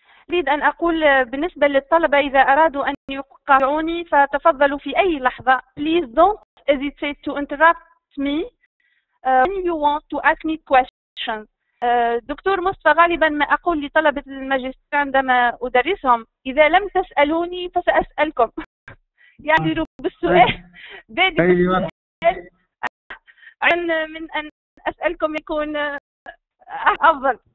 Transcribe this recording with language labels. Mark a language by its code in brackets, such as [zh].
[ar] أريد أن أقول بالنسبة للطلبة إذا أرادوا أن يقاطعوني فتفضلوا في أي لحظة. [en] Please don't hesitate to interrupt me when you want to ask me questions. [ar] دكتور مصطفى، غالبا ما أقول لطلبة الماجستير عندما أدرسهم إذا لم تسألوني فسأسألكم. يعني بالسؤال بادئ عن من أن أسألكم يكون أفضل.